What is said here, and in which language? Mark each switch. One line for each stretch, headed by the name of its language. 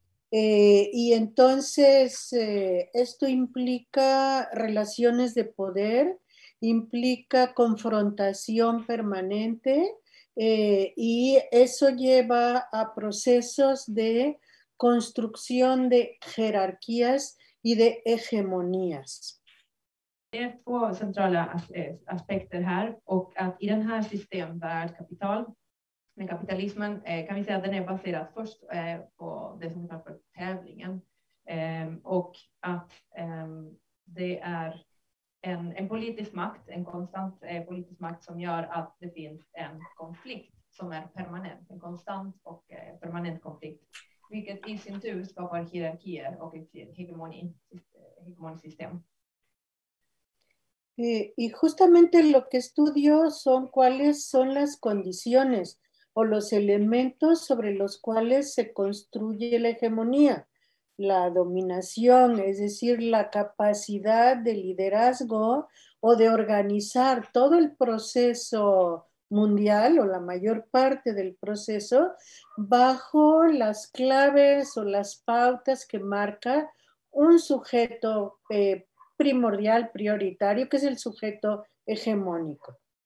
Spanish: Y entonces esto implica relaciones de poder, implica confrontación permanente, y eso lleva a procesos de construcción de jerarquías y de hegemonías.
Swedish: Det är två centrala aspekter här, och att i den här systemvärld kapital, med kapitalismen, kan vi säga att den är baserad först på det som kallas för tävlingen, och att det är en politisk makt, en konstant politisk makt som gör att det finns en konflikt som är permanent, en konstant och permanent konflikt, vilket i sin tur skapar hierarkier och ett hegemonisystem.
Spanish: Y justamente lo que estudio son cuáles son las condiciones o los elementos sobre los cuales se construye la hegemonía, la dominación, es decir, la capacidad de liderazgo o de organizar todo el proceso mundial o la mayor parte del proceso bajo las claves o las pautas que marca un sujeto primordial, prioritario, que es el sujeto hegemónico.